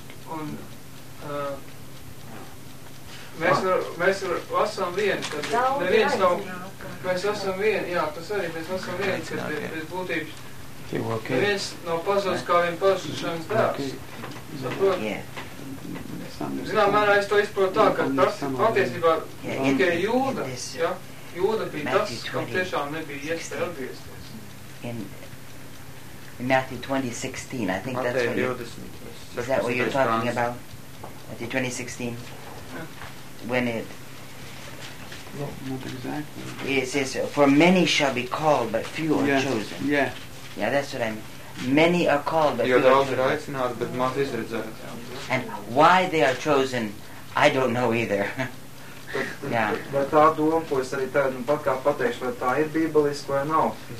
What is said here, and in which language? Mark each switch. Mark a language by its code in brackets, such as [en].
[lv] Un mēs esam vieni, kad neviens nav, mēs esam vieni, jā, tas arī, mēs esam vieni, kad bez būtības neviens nav pazudis kā vien pazudušanas dēls. Saprot? Zinām, mērā es to izprotu tā, ka tas patiesībā tikai Jūda, ja? Jūda bija tas, kam tiešām nebija iespēja atgriezties. [en] In Matthew 20:16, I think that's what you're, is that what you're talking about? Matthew 20:16, when it, not exactly. It says, "For many shall be called, but few are yeah. chosen." Yeah. Yeah, that's what I mean. Many are called, but you're few are chosen. But maz is reserved. And why they are chosen, I don't know either. [lv] Bet tā doma, ko es arī tagad nu pat kā pateikšu, vai tā ir bībeliska vai nav.